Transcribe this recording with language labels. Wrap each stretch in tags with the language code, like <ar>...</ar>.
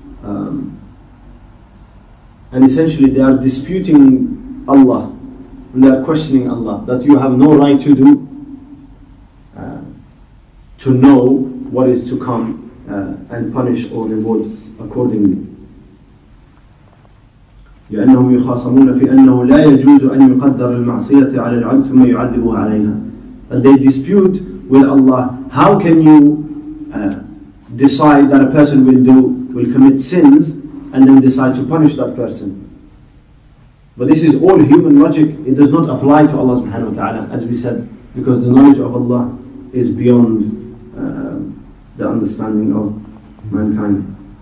<en>And essentially they are disputing Allah, and they are questioning Allah, that you have no right to do, to know what is to come and punish or reward accordingly.</en> <ar>لأنهم يخاصمون في أنه لا يجوز أن يقدر المعصية على العبد ثم يعذبه عليها.</ar> <en>And they dispute with Allah, how can you decide that a person will commit sins and then decide to punish that person? But this is all human logic. It does not apply to Allah subhanahu wa ta'ala, as we said, because the knowledge of Allah is beyond the understanding of mankind.</en>